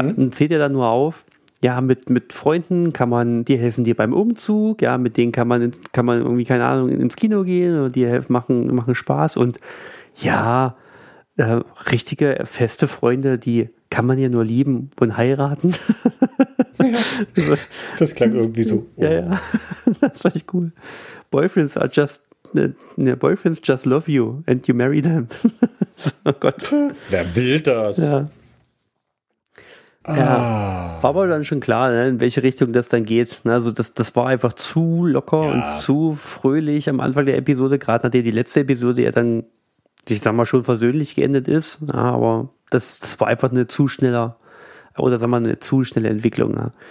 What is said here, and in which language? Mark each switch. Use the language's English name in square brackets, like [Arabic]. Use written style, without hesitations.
[German] Zählt ihr da nur auf, ja, mit Freunden kann man, die helfen dir beim Umzug, ja, mit denen kann man irgendwie, keine Ahnung, ins Kino gehen oder die helfen, machen Spaß. Und ja, richtige feste Freunde, die kann man ja nur lieben und heiraten. Ja, das klang irgendwie so. Oh. Ja, ja. Das war echt cool. [English] Boyfriends are just Boyfriends just love you and you marry them. [German] Oh Gott. Wer will das? Ja. Ja, war aber dann schon klar, ne, in welche Richtung das dann geht. Also das war einfach zu locker, ja, und zu fröhlich am Anfang der Episode, gerade nachdem die letzte Episode ja dann, ich sag mal, schon versöhnlich geendet ist. Ja, aber das war einfach eine zu schnelle Entwicklung. Ne.